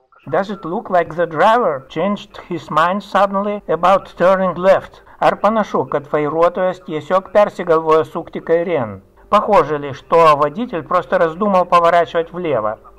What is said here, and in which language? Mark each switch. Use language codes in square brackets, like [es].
[en] Does it look like the driver changed his mind suddenly about turning left? [lt] Ar panašu, kad vairuotojas tiesiog persigalvojo sukti kairėn? [ru] Похоже ли, что водитель просто раздумал поворачивать влево?